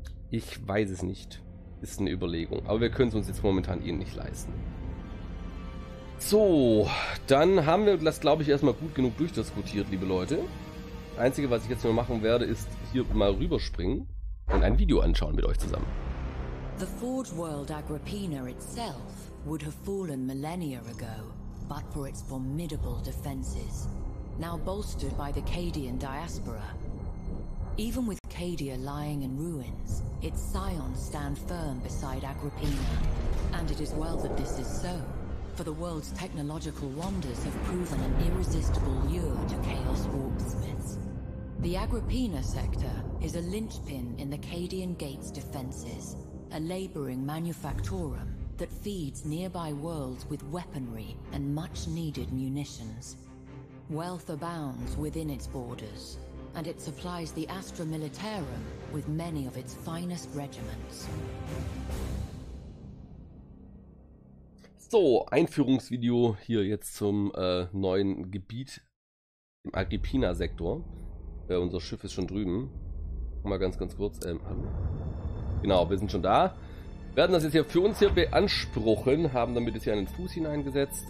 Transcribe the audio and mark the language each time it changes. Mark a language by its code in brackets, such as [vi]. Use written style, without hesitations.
[de] Ich weiß es nicht. Ist eine Überlegung. Aber wir können es uns jetzt momentan eben nicht leisten. So, dann haben wir das, glaube ich, erstmal gut genug durchdiskutiert, liebe Leute. Das Einzige, was ich jetzt nur machen werde, ist hier mal rüberspringen und ein Video anschauen mit euch zusammen. [en] The Forge World Agrippina itself would have fallen millennia ago, but for its formidable defenses, now bolstered by the Cadian diaspora. Even with Cadia lying in ruins, its scions stand firm beside Agrippina. And it is well that this is so, for the world's technological wonders have proven an irresistible lure to Chaos Warpsmiths. The Agrippina sector is a linchpin in the Cadian Gate's defenses. A laboring manufactorum that feeds nearby worlds with weaponry and much-needed munitions. Wealth abounds within its borders, and it supplies the Astra Militarum with many of its finest regiments. [de] So, Einführungsvideo hier jetzt zum neuen Gebiet im Agrippina-Sektor. Unser Schiff ist schon drüben. Mal ganz kurz. Hallo. Genau, wir sind schon da. Werden das jetzt hier für uns hier beanspruchen. Haben damit jetzt hier einen Fuß hineingesetzt.